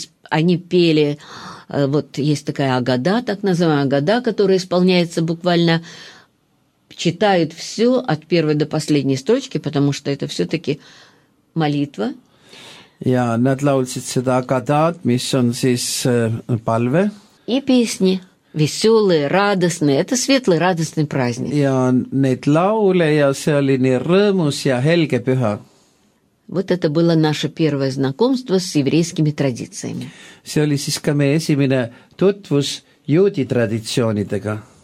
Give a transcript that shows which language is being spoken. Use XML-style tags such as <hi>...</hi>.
<ru>Они пели, вот есть такая агада, так называемая агада, которая исполняется буквально, читают все от первой до последней строчки, потому что это все-таки молитва.</ru> <et>Ja nad laulsid seda агадат, mis on siis palve.</et> <ru>И песни веселые, радостные, это светлый, радостный праздник.</ru> <et>Ja neid lauli ja see oli nii rõõmus ja helge püha.</et> <ru>Вот это было наше первое знакомство с еврейскими традициями.</ru> <et>See oli siis ka meie esimene tutvus juudi traditsioonidega.</et>